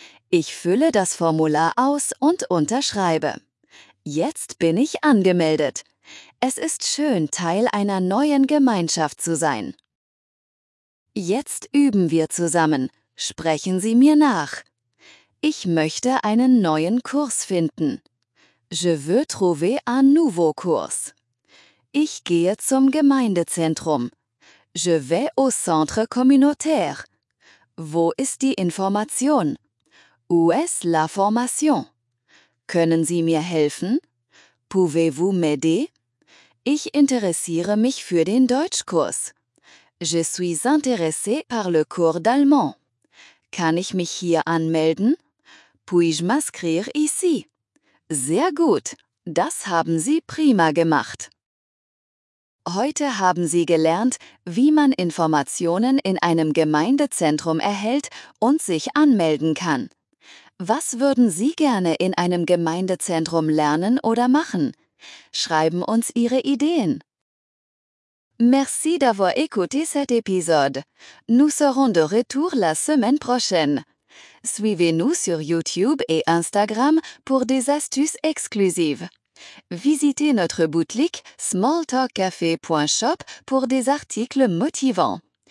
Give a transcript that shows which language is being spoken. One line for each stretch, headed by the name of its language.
German: Ich fülle das Formular aus und unterschreibe. Jetzt bin ich angemeldet. Es ist schön, Teil einer neuen Gemeinschaft zu sein. Jetzt üben wir zusammen. Sprechen Sie mir nach. Ich möchte einen neuen Kurs finden.
French: Je veux trouver un nouveau cours.
German: Ich gehe zum Gemeindezentrum.
French: Je vais au centre communautaire.
German: Wo ist die Information?
French: Où est la formation?
German: Können Sie mir helfen?
French: Pouvez-vous m'aider?
German: Ich interessiere mich für den Deutschkurs.
French: Je suis intéressé par le cours d'allemand.
German: Kann ich mich hier anmelden?
French: Puis-je m'inscrire ici?
German: Sehr gut. Das haben Sie prima gemacht. Heute haben Sie gelernt, wie man Informationen in einem Gemeindezentrum erhält und sich anmelden kann. Was würden Sie gerne in einem Gemeindezentrum lernen oder machen? Schreiben uns Ihre Ideen.
French: Merci d'avoir écouté cet épisode. Nous serons de retour la semaine prochaine. Suivez-nous sur YouTube et Instagram pour des astuces exclusives. Visitez notre boutique smalltalkcafé.shop pour des articles motivants.